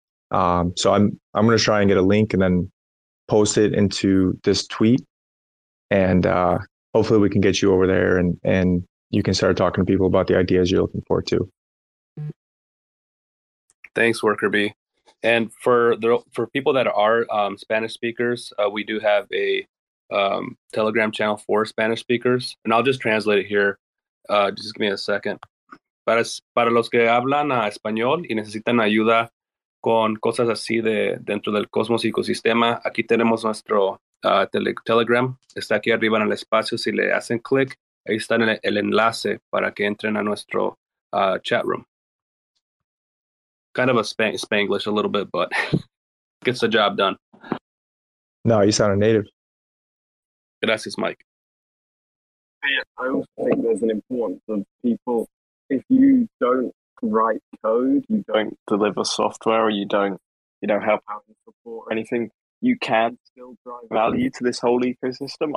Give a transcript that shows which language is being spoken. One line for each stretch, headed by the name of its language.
English: So I'm going to try and get a link and then post it into this tweet, and hopefully we can get you over there and you can start talking to people about the ideas you're looking for too. Thanks, Worker B. And for people that are Spanish speakers, we do have a Telegram channel for Spanish speakers, and I'll just translate it here. Just give me a second.
Spanish: Para los que hablan español y necesitan ayuda con cosas así de dentro del Cosmos ecosistema, aquí tenemos nuestro Telegram. Está aquí arriba en el espacio. Si le hacen click, ahí está el enlace para que entren a nuestro chat room.
English: Kind of a Spanglish a little bit, but gets the job done. No, you sound a native.
Spanish: Gracias, Mike.
English: I also think there's an importance of people, if you don't write code, you don't deliver software, or you don't help out and support or anything, you can still drive value to this whole ecosystem.